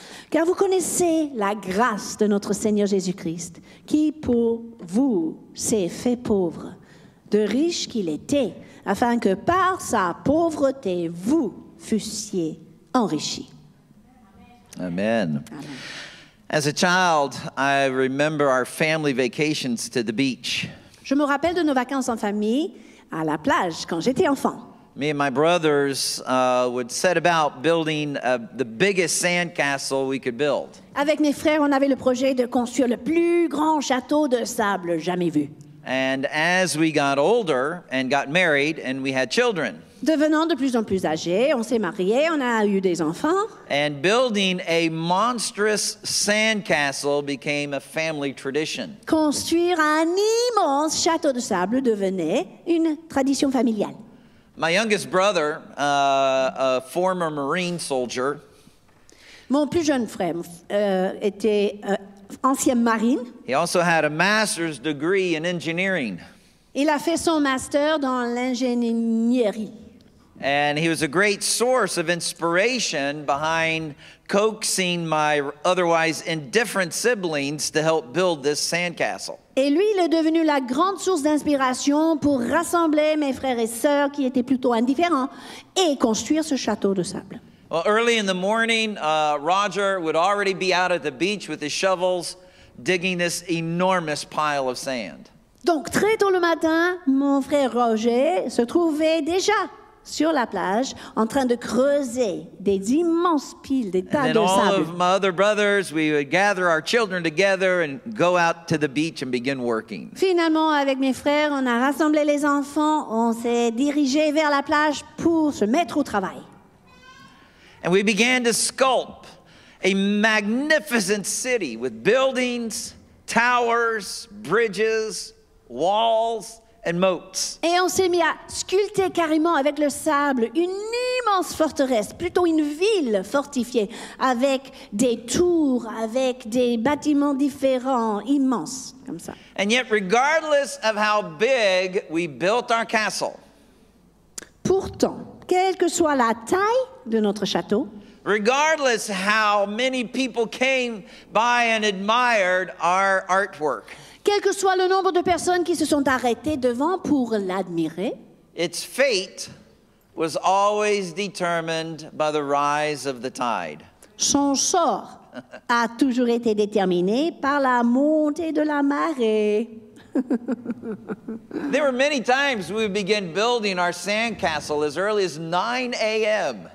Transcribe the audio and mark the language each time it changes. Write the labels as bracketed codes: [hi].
[fr] Car vous connaissez la grâce de notre Seigneur Jésus-Christ, qui pour vous s'est fait pauvre, de riche qu'il était, afin que par sa pauvreté, vous fussiez enrichis. Amen. [en] As a child, I remember our family vacations to the beach. [fr] Je me rappelle de nos vacances en famille à la plage quand j'étais enfant. [en] Me and my brothers would set about building the biggest sandcastle we could build. [fr] Avec mes frères, on avait le projet de construire le plus grand château de sable jamais vu. [en] And as we got older and got married and we had children. [fr] Devenant de plus en plus âgés, on s'est mariés, on a eu des enfants. [en] And building a monstrous sandcastle became a family tradition. [fr] Construire un immense château de sable devenait une tradition familiale. [en] My youngest brother, a former Marine soldier. [fr] Mon plus jeune frère était ancien marine. [en] He also had a master's degree in engineering. [fr] Il a fait son master dans l'ingénierie. [en] And he was a great source of inspiration behind coaxing my otherwise indifferent siblings to help build this sandcastle. [fr] Et lui, il est devenu la grande source d'inspiration pour rassembler mes frères et sœurs qui étaient plutôt indifférents et construire ce château de sable. [en] Well, early in the morning, Roger would already be out at the beach with his shovels digging this enormous pile of sand. [fr] Donc très tôt le matin, mon frère Roger se trouvait déjà sur la plage, en train de creuser des immenses piles, des tas de sable. [en] And all of my other brothers, we would gather our children together and go out to the beach and begin working. [fr] Finalement, avec mes frères, on a rassemblé les enfants, on s'est dirigé vers la plage pour se mettre au travail. [en] And we began to sculpt a magnificent city with buildings, towers, bridges, walls, and moats. [fr] Et on s'est mis à sculpter carrément avec le sable une immense forteresse, plutôt une ville fortifiée, avec des tours, avec des bâtiments différents, immenses, comme ça. [en] And yet, regardless of how big we built our castle, [fr] pourtant, quelle que soit la taille de notre château, [en] regardless how many people came by and admired our artwork, [fr] quel que soit le nombre de personnes qui se sont arrêtées devant pour l'admirer, [en] its fate was always determined by the rise of the tide. [fr] Son sort a toujours été déterminé par la montée de la marée. [en] There were many times we would begin building our sandcastle as early as 9 a.m.